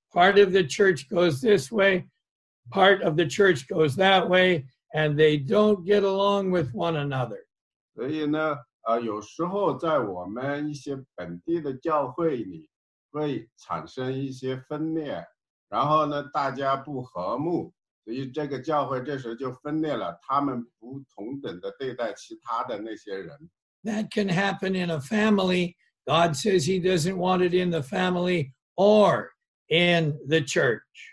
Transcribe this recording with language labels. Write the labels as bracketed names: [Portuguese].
[English] Part of the church goes this way, part of the church goes that way, and they don't get along with one another. [Chinese] 所以呢, 有时候在我们一些本地的教会里会产生一些分裂。然后呢，大家不和睦，所以这个教会这时候就分裂了。他们不同等的对待其他的那些人。 [English] That can happen in a family. God says He doesn't want it in the family or in the church.